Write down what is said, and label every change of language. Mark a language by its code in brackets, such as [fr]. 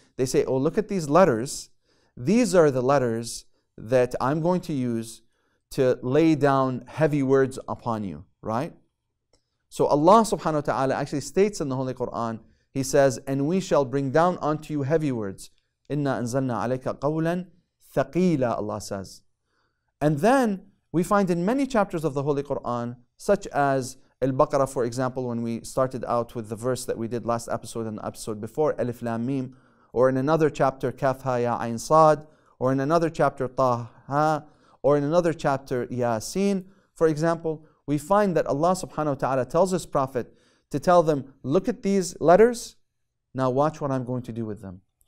[en] They say, oh, look at these letters. These are the letters that I'm going to use to lay down heavy words upon you, right? So Allah subhanahu wa ta'ala actually states in the Holy Quran, He says, and we shall bring down onto you heavy words. [ar] إِنَّا أَنزَلْنَا عَلَيْكَ قَوْلًا ثَقِيلًا, [en] Allah says. And then we find in many chapters of the Holy Quran, such as Al-Baqarah, for example, when we started out with the verse that we did last episode and the episode before, Alif Lam Mim, or in another chapter, Kaf Ha Ya Ain Sad, or in another chapter, Tah Ha, or in another chapter, Yasin, for example, we find that Allah subhanahu wa ta'ala tells His Prophet to tell them, look at these letters, now watch what I'm going to do with them.